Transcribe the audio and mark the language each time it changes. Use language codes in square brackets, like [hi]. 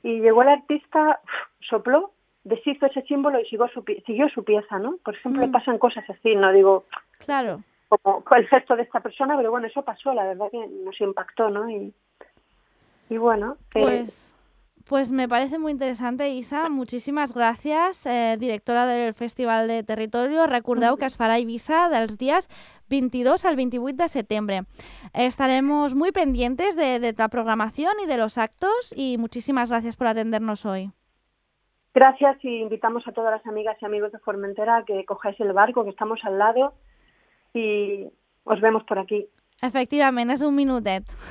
[es] Y llegó el artista, sopló, deshizo ese símbolo y siguió su pieza, ¿no? Por ejemplo, pasan cosas así, ¿no? Digo... Claro. como el gesto de esta persona, pero bueno, eso pasó, la verdad que nos impactó, ¿no? Y bueno, Pues me parece muy interesante, Isa. Muchísimas [ca] gràcies, [es] directora del Festival de Territorio. [ca] Recordeu que es farà a Eivissa dels dies 22 al 28 de setembre. [es] Estaremos muy pendientes de la programación y de los actos y muchísimas gracias por atendernos hoy. Gracias y invitamos a todas las amigas y amigos de Formentera que cojáis el barco, que estamos al lado y os vemos por aquí. [ca] Efectivament, és un minutet.